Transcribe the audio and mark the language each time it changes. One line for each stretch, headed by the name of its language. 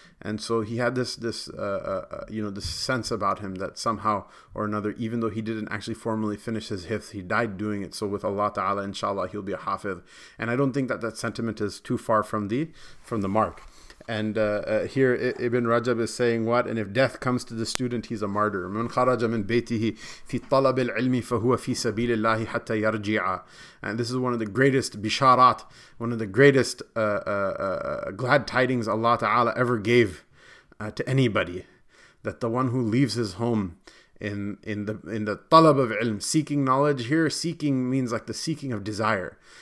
English: And so he had this sense about him that somehow or another, even though he didn't actually formally finish his hifz, he died doing it. So with Allah Ta'ala, inshallah, he'll be a hafiz. And I don't think that sentiment is too far from the mark. And here Ibn Rajab is saying, what? And if death comes to the student, he's a martyr.
Arabic: من خرج من بيته في طلب العلم فهو في سبيل الله حتى يرجع.
English: And this is one of the greatest bisharat, one of the greatest glad tidings Allah Ta'ala ever gave to anybody. That the one who leaves his home in the talab of ilm, seeking knowledge here, seeking means like the seeking of desire.